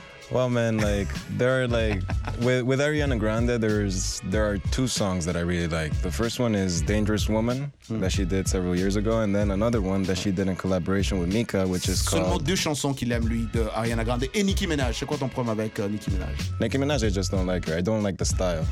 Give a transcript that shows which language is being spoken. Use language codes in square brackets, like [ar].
[en] Well, man, like they're like with Ariana Grande, there are two songs that I really like. The first one is Dangerous Woman that she did several years ago, and then another one that she did in collaboration with Mika, which is called. [fr] Seulement deux chansons qu'il aime lui de Ariana Grande et Nicki Minaj. C'est quoi ton problème avec Nicki Minaj? [en] Nicki Minaj, I just don't like her. I don't like the style.